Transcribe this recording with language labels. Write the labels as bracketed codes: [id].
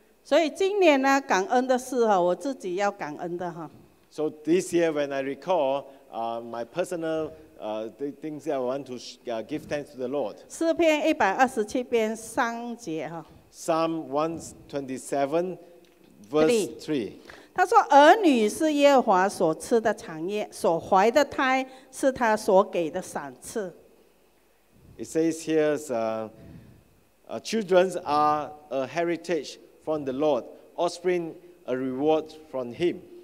[zh] 所以今年呢，感恩的事哈，我自己要感恩的哈。 [en] So this year, when I recall, my personal the things that I want to give thanks to the Lord. [zh] 诗篇一百二十七篇三节哈。 [en] Psalm 127, verse 3. [zh] 他说：“儿女是耶和华所赐的产业，所怀的胎是他所给的赏赐。” [en] It says here, "Children are a heritage from the Lord; offspring, a reward from Him."